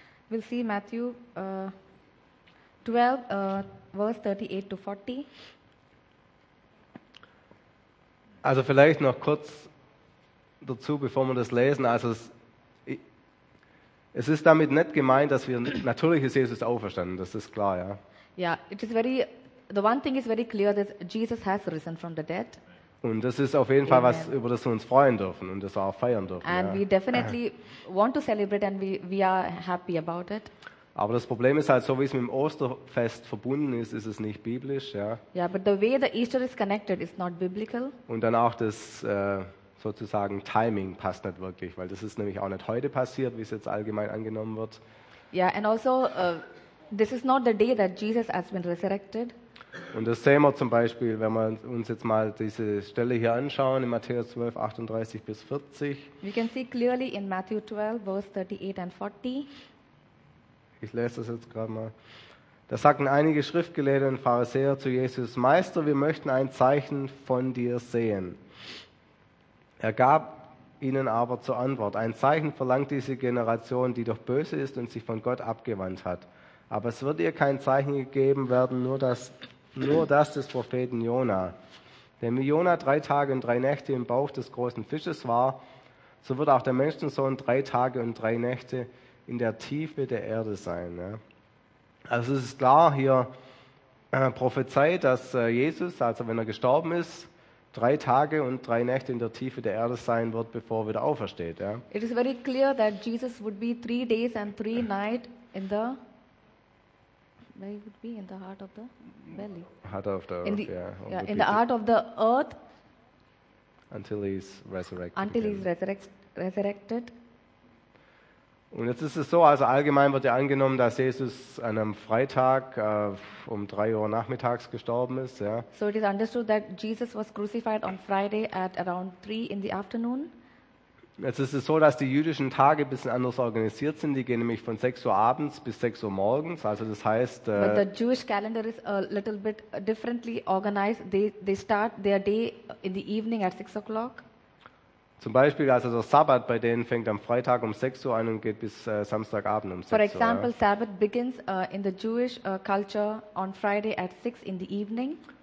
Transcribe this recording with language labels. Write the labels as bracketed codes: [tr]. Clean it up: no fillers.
[en] We'll see Matthew 12, verse 38 to 40. [de] Also vielleicht noch kurz dazu, bevor wir das lesen. Also es ist damit nicht gemeint, dass wir, natürlich ist Jesus auferstanden, das ist klar, ja. [en] Yeah, the one thing is very clear that Jesus has risen from the dead. [de] Und das ist auf jeden Fall, Amen, was, über das wir uns freuen dürfen und das auch feiern dürfen. [en] And [de] ja, [en] we definitely want to celebrate and we are happy about it. [de] Aber das Problem ist halt, so wie es mit dem Osterfest verbunden ist, ist es nicht biblisch, ja. [en] Yeah, but the way the Easter is connected is not biblical. [de] Und dann auch das sozusagen Timing passt nicht wirklich, weil das ist nämlich auch nicht heute passiert, wie es jetzt allgemein angenommen wird. [en] Yeah, and also this is not the day that Jesus has been resurrected. [de] Und das sehen wir zum Beispiel, wenn wir uns jetzt mal diese Stelle hier anschauen, in Matthäus 12, 38 bis 40. [en] We can see clearly in Matthew 12, verse 38 and 40. [de] Ich lese das jetzt gerade mal. Da sagten einige Schriftgelehrte und Pharisäer zu Jesus: Meister, wir möchten ein Zeichen von dir sehen. Er gab ihnen aber zur Antwort: Ein Zeichen verlangt diese Generation, die doch böse ist und sich von Gott abgewandt hat. Aber es wird ihr kein Zeichen gegeben werden, nur das des Propheten Jona. Denn wie Jona 3 Tage und 3 Nächte im Bauch des großen Fisches war, so wird auch der Menschensohn 3 Tage und 3 Nächte in der Tiefe der Erde sein. Ja. Also es ist klar, hier prophezeit, dass Jesus, also wenn er gestorben ist, 3 Tage und 3 Nächte in der Tiefe der Erde sein wird, bevor er wieder aufersteht. Ja. [en] It is very clear that Jesus would be 3 days and 3 nights in the... They would be in the heart of the valley. Heart of the earth, in the heart of the earth. Until he's resurrected. Until he's resurrected. resurrected. [de] Und jetzt ist es so, also allgemein wird ja angenommen, dass Jesus an einem Freitag um 3 Uhr nachmittags gestorben ist, ja. [en] So it is understood that Jesus was crucified on Friday at around 3 in the afternoon. [de] Jetzt ist es so, dass die jüdischen Tage ein bisschen anders organisiert sind. Die gehen nämlich von 6 Uhr abends bis 6 Uhr morgens. Also das heißt... [en] But the Jewish calendar is a little bit differently organized. They start their day in the evening at 6 o'clock. [de] Zum Beispiel, also der Sabbat bei denen fängt am Freitag um 6 Uhr an und geht bis Samstagabend um 6 Uhr. [en] For example, Sabbath begins in the Jewish culture on Friday at 6 in the evening.